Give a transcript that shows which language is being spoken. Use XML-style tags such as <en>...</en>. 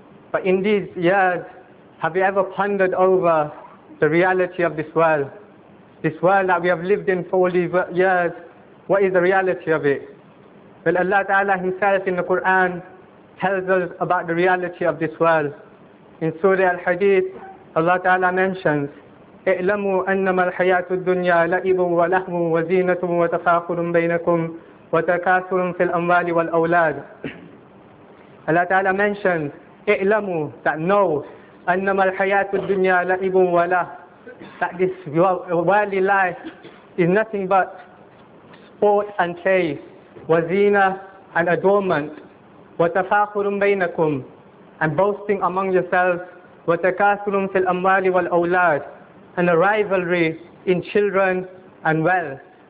<en>But in these years, have you ever pondered over the reality of this world? This world that we have lived in for all these years, what is the reality of it? Well, Allah Ta'ala Himself in the Quran tells us about the reality of this world. In Surah Al-Hadith, Allah Ta'ala mentions,</en> <ar>اِعْلَمُوا أَنَّمَا الْحَيَاةُ الدُّنْيَا لَعِبٌ وَلَهْوٌ وَزِينَةٌ وَتَفَاخُرٌ بَيْنَكُمْ وَتَكَاثُرٌ فِي الْأَمْوَالِ وَالْأَوْلَادِ.</ar> <en>Allah Ta'ala mentions,</en> <ar>اِعْلَمُوا,</ar> <en>that know,</en> <ar>أَنَّمَا الْحَيَاةُ الدُّنْيَا لَعِبٌ وَلَهْوٌ,</ar> <en>that this worldly life is nothing but sport and play, wazina and adornment,</en> <ar>وَتَفَاخُرٌ بَيْنَكُمْ,</ar> <en>and boasting among yourselves,</en> <ar>وَتَكَاثُرٌ فِي الْأَمْوَالِ وَالْأَوْلَادِ,</ar> <en>and a rivalry in children and wealth.</en>